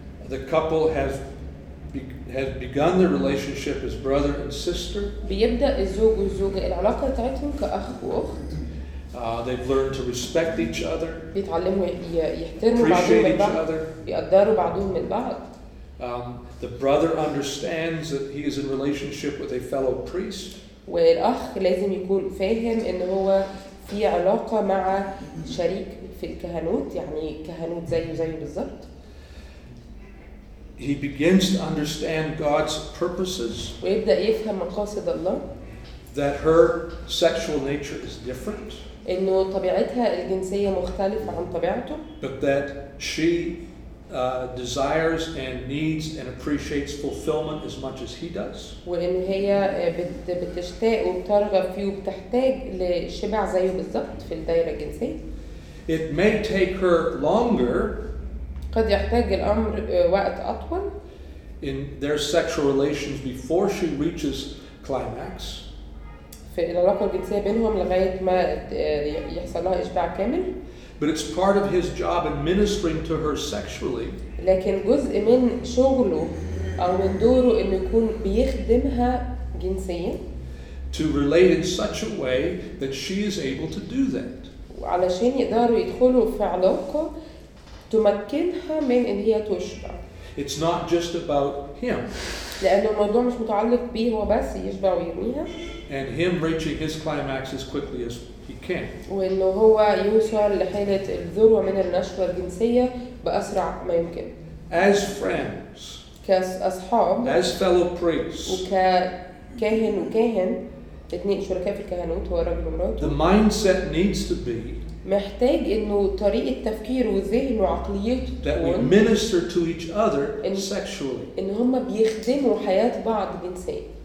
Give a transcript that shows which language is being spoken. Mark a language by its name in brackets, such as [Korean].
[English] The couple has begun their relationship as brother and sister. [Arabic] بيبدا الزوج والزوجه العلاقه بتاعتهم كاخ واخت. [English] They've learned to respect each other. [Arabic] بيتعلموا يحترموا بعضهم البعض. يقدروا بعضهم البعض. [English] The brother understands that he is in relationship with a fellow priest. [Arabic] والأخ لازم يكون فاهم إن هو في علاقة مع شريك في الكهنوت يعني كهنوت زي بالضبط. [English] He begins to understand God's purposes. [Arabic] ويبدأ يفهم مقاصد الله. [English] That her sexual nature is different. [Arabic] إنه طبيعتها الجنسية مختلفة عن طبيعته. [English] But that she desires and needs and appreciates fulfillment as much as he does. [Arabic] وإن هي بتشتاق وبترغب فيه وبتحتاج لشبع زيه بالضبط في الدائرة الجنسية. [English] It may take her longer. [Arabic] قد يحتاج الأمر وقت أطول. [English] In their sexual relations before she reaches climax. [Arabic] في العلاقة الجنسية بينهم لغاية ما يحصلها إشباع كامل. [English] But it's part of his job in ministering to her sexually. [Arabic] لكن جزء من شغله أو من دوره إنه يكون بيخدمها جنسياً. [English] To relate in such a way that she is able to do that. [Arabic] علشان يقدروا يدخلوا في علاقة تمكنها من إن هي تشبع. [English] It's not just about him. [Arabic] لأنه الموضوع مش متعلق به هو بس يشبع ويرميها. [English] And him reaching his climax as quickly as he can. [Arabic] وإنه هو يوصل لحالة الذروة من النشوة الجنسية بأسرع ما يمكن. [English] As friends. [Arabic] كأصحاب. [English] As fellow priests. [Arabic] وككاهن وكاهن اتنين شركاء في الكهنوت هو رجل ومراته. [English] The mindset needs to be. [Arabic] محتاج إنه طريقة تفكير وذهن وعقليته. [English] That we minister to each other sexually. [Arabic] إن هما بيخدموا حياة بعض جنسيا.